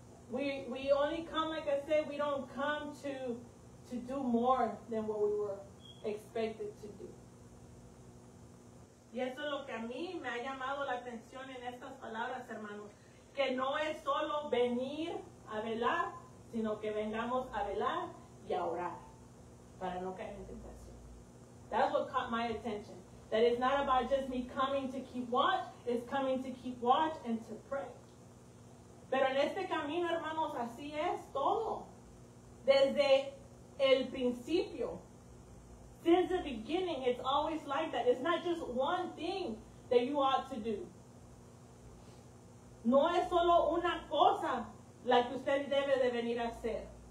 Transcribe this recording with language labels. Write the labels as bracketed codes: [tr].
[en] We only come, like I said, we don't come to do more than what we were expected to do. [es] Y eso es lo que a mí me ha llamado la atención en estas palabras, hermanos. Que no es solo venir a velar, sino que vengamos a velar y a orar para no caer en tentación. [en] That's what caught my attention. That it's not about just me coming to keep watch, it's coming to keep watch and to pray. [es] Pero en este camino, hermanos, así es todo. Desde el principio. [en] Since the beginning, it's always like that. It's not just one thing that you ought to do. [es] No es solo una cosa la que usted debe de venir a hacer.